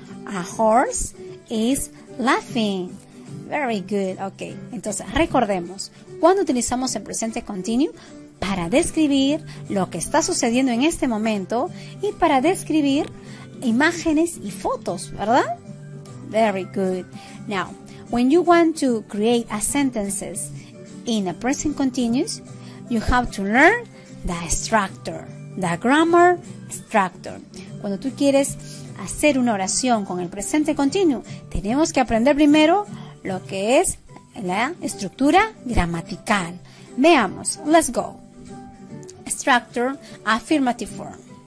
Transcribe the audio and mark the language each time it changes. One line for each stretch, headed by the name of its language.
English: A horse is laughing. Very good.
Spanish: Ok, entonces recordemos, cuando utilizamos el presente continuo para describir lo que está sucediendo en este momento y para describir imágenes y fotos, ¿verdad?
English: Very good. Now, when you want to create a sentences in a present continuous, you have to learn the structure, the grammar structure.
Spanish: Cuando tú quieres hacer una oración con el presente continuo, tenemos que aprender primero lo que es la estructura gramatical. Veamos,
English: let's go. Structure, affirmative form.